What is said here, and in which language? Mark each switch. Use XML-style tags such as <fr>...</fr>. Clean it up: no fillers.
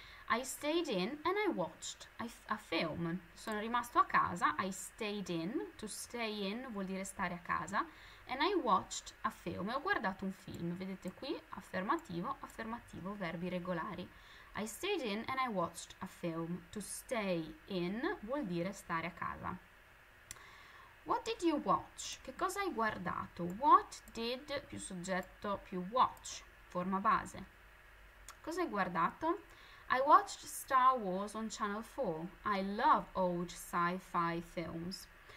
<en>I stayed in and I watched a film.</en> <it>Sono rimasto a casa.</it> <en>I stayed in. To stay in</en> <it>vuol dire stare a casa.</it> <en>And I watched a film.</en> <it>Ho guardato un film. Vedete qui? Affermativo, affermativo, verbi regolari.</it> <en>I stayed in and I watched a film. To stay in</en> <it>vuol dire stare a casa.</it> <en>What did you watch?</en> <it>Che cosa hai guardato?</it> <en>What did</en> <it>più soggetto più watch, forma base. Cosa hai guardato?</it> <en>I watched Star Wars on Channel 4. I love old sci-fi films.</en>